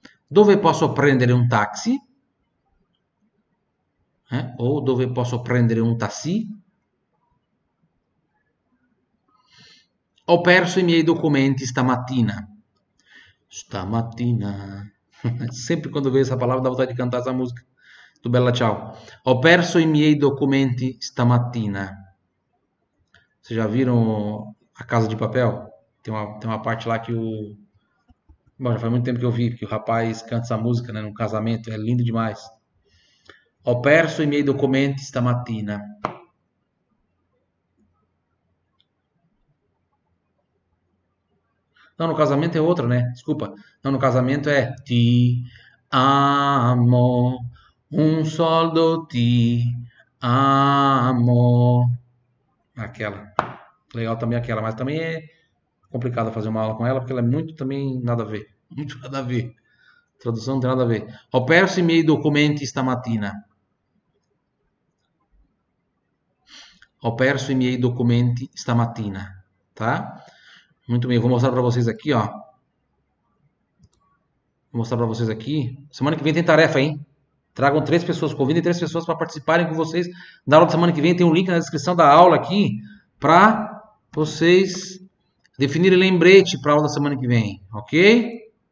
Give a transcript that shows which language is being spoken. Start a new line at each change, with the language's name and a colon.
Italian: Dove posso prendere un taxi? O dove posso prendere un tassì? Ho perso i miei documenti stamattina. Stamattina.
Portuguese: Sempre quando vejo essa palavra dá vontade de cantar essa música.
Italian: Tu bella ciao. Ho perso i miei documenti stamattina.
Portuguese: Vocês já viram A Casa de Papel? Tem uma parte lá que o. Bom, já faz muito tempo que eu vi, que o rapaz canta essa música, né, num casamento, é lindo demais.
Italian: Ho perso i miei documenti stamattina.
Portuguese: Não, no casamento é outra, né? Desculpa. Não, no casamento é
Italian: ti amo, un soldo ti amo.
Portuguese: Aquela. Legal também aquela, mas também é complicado fazer uma aula com ela, porque ela é muito também nada a ver. Muito nada a ver. Tradução não tem nada a ver.
Italian: Ho perso i miei documenti stamattina. Ho perso i miei documenti stamattina.
Portuguese: Tá? Muito bem, vou mostrar para vocês aqui, ó. Vou mostrar para vocês aqui. Semana que vem tem tarefa, hein? Tragam três pessoas, convidem três pessoas para participarem com vocês da aula de semana que vem. Tem um link na descrição da aula aqui para vocês definirem lembrete para a aula da semana que vem, ok?